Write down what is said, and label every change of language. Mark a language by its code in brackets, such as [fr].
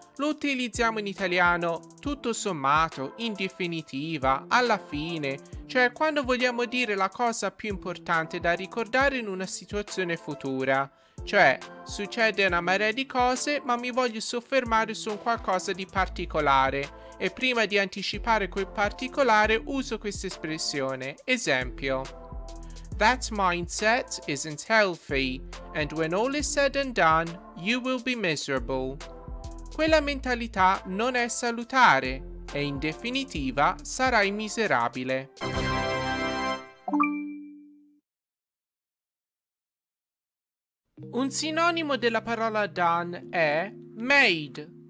[it] Lo utilizziamo in italiano tutto sommato, in definitiva, alla fine, cioè quando vogliamo dire la cosa più importante da ricordare in una situazione futura. Cioè, succede una marea di cose, ma mi voglio soffermare su un qualcosa di particolare. E prima di anticipare quel particolare, uso questa espressione. Esempio. [en] That mindset isn't healthy, and when all is said and done, you will be miserable. [it] Quella mentalità non è salutare, e in definitiva sarai miserabile. Un sinonimo della parola done è made.